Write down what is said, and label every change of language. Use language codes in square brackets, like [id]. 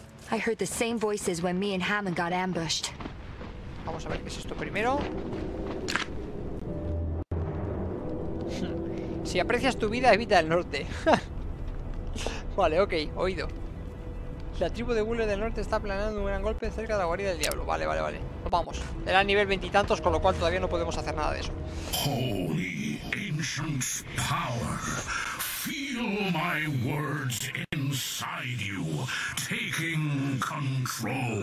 [en] I heard the same voices when me and Hammond got ambushed. [es] Vamos a ver qué es esto primero. Si aprecias tu vida, evita el norte. Vale, ok, oído. La tribu de Buller del Norte está planeando un gran golpe cerca de la guarida del diablo. Vale, vale, vale. Vamos. Era nivel 20 y tantos, con lo cual todavía no podemos hacer nada de eso. [en] Holy ancient power. Feel my words inside you, taking control.